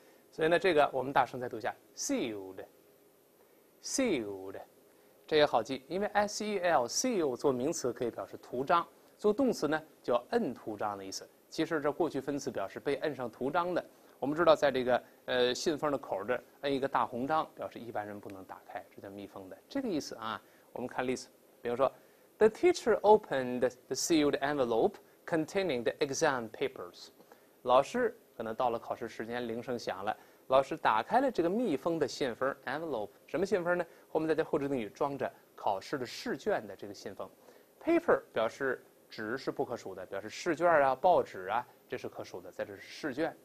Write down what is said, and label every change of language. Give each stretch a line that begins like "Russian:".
Chinese: 所以呢，这个我们大声再读一下 ，sealed，sealed， 这也好记，因为 seal，seal 做名词可以表示图章，做动词呢叫摁图章的意思。其实这过去分词表示被摁上图章的。我们知道，在这个信封的口这摁一个大红章，表示一般人不能打开，这叫密封的这个意思啊。我们看例子，比如说。
English: The teacher opened the sealed envelope containing the exam papers.
Chinese: 老师可能到了考试时间，铃声响了。老师打开了这个密封的信封 envelope， 什么信封呢？后面再加后置定语，装着考试的试卷的这个信封。 Paper 表示纸是不可数的，表示试卷啊、报纸啊，这是可数的，在这是试卷。